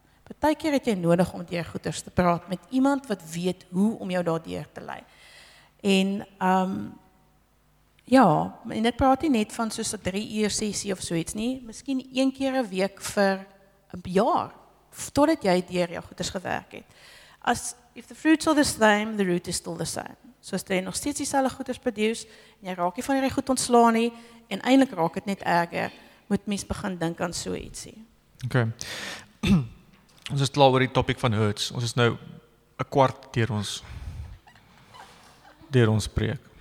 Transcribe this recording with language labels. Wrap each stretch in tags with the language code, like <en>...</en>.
<af>Partykeer het jy nodig om deur goeters te praat met iemand wat weet hoe om jou daardeur te lei. En ja, en dit praat nie net van soos 'n 3-uur sessie of so iets nie, miskien een keer 'n week vir 'n jaar totdat jy deur jou goeders gewerk het.</af> <en>As if the fruits are the same, the root is still the same.</en> <af>So as jy nog steeds dieselfde goeders produce en jy raak nie van hierdie goed ontslaan nie en eintlik raak dit net erger. Moet mens begin dink aan so ietsie. Okay. Ons is klaar oor die topic van hurts. Ons is nou 'n kwart deur ons preek.</af>